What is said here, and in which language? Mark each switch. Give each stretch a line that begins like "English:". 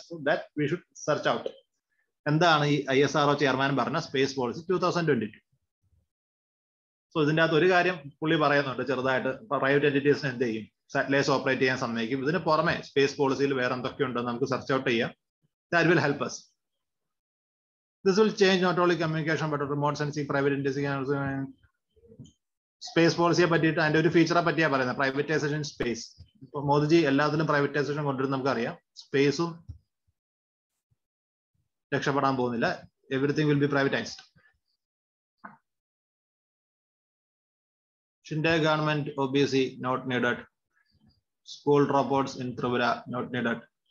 English: so that we should search out
Malayalam: എന്താണ് ഈ
English: I S R O chairman പറഞ്ഞ space policy 2022.
Malayalam: So ഇതിൻ്റെ അകത്ത് ഒരു കാര്യം പുള്ളി പറയുന്നുണ്ട് ചെറുതായിട്ട്, പ്രൈവറ്റ് എന്റിറ്റീസിന് എന്ത് ചെയ്യും, സാറ്റലൈറ്റ്സ് ഓപ്പറേറ്റ് ചെയ്യാൻ സമ്മതിക്കും. ഇതിന് പുറമെ സ്പേസ് പോളിസിയിൽ വേറെ എന്തൊക്കെയുണ്ട് നമുക്ക് സെർച്ച് ഔട്ട് ചെയ്യാം.
English: That will help us. This will change not only communication but remote sensing, private indigenization, space policy
Malayalam: പറ്റിയിട്ട് അതിൻ്റെ ഒരു ഫീച്ചറെ പറ്റിയാ പറയുന്നത്, പ്രൈവറ്റൈസേഷൻ സ്പേസ്. ഇപ്പൊ മോദിജി എല്ലാത്തിലും പ്രൈവറ്റൈസേഷൻ കൊണ്ടുവരുന്ന നമുക്കറിയാം, സ്പേസും രക്ഷപ്പെടാൻ പോകുന്നില്ല.
English: Everything will be privatised. Shinde government O B C not needed. School dropouts in Tripura not needed.